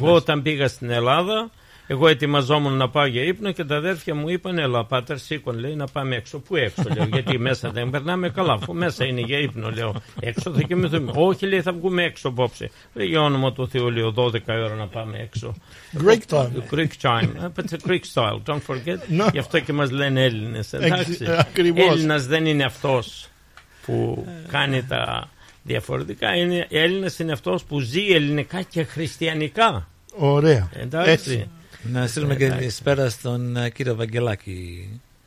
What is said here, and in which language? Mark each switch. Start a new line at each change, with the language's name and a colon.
Greek: Εγώ όταν πήγα στην Ελλάδα, εγώ ετοιμαζόμουν να πάω για ύπνο και τα αδέρφια μου είπαν, έλα, πάτερ, σήκον, λέει, να πάμε έξω. Πού έξω, λέω, γιατί μέσα δεν περνάμε καλά, αφού μέσα είναι για ύπνο, λέω, έξω θα κοιμηθούμε. Όχι, λέει, θα βγούμε έξω απόψε. Λέει, για όνομα του Θεού, λέω, 12 ώρα να πάμε έξω.
English: Greek time. Greek time, but it's a Greek style, don't forget. No.
Greek: Γι' αυτό και μας λένε Έλληνες, εντάξει. Ακριβώς. Έλληνας δεν είναι αυτός που κάνει τα διαφορετικά, είναι, Έλληνας είναι αυτός που ζει ελληνικά και χριστιανικά. Ωραία. Εντάξει. Να στείλουμε και καλησπέρα στον κύριο Βαγγελάκη.